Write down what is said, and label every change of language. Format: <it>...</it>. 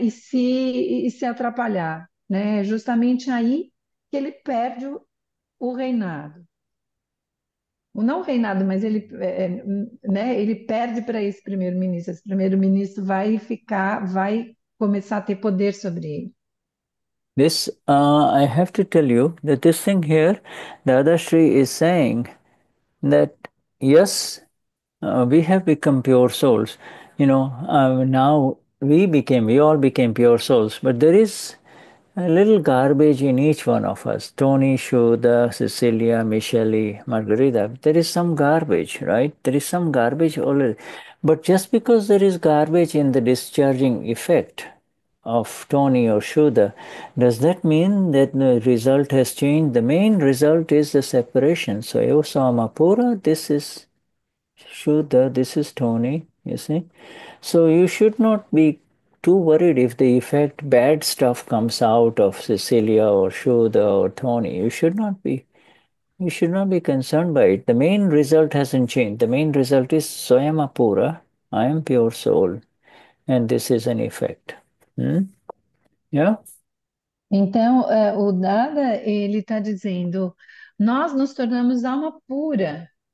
<pt>E se atrapalhar, né? Justamente aí que ele perde o reinado. O não reinado, mas ele perde para esse primeiro-ministro. Esse primeiro-ministro vai começar a ter poder sobre ele.</pt> <en>This I have to tell you that this thing here, Dadashri is saying that yes, we have become pure souls. Now we all became pure souls. But there is a little garbage in each one of us: Tony, Shuddha, Cecilia, Michelle, Margarita. There is some garbage, right? There is some garbage already. But just because there is garbage in the discharging effect of Tony or Shuddha, does that mean that the result has changed? The main result is the separation. So, Eosamapura, this is Shuddha, this is Tony, you see. So, you should not be too worried if the effect, bad stuff, comes out of Cecilia or Shuddha or Tony. You should not be concerned by it. The main result hasn't changed. The main result is Swayamapura, I am pure soul, and this is an effect.</en> <pt>Então, o Dada, ele está dizendo, nós nos tornamos alma pura.</pt>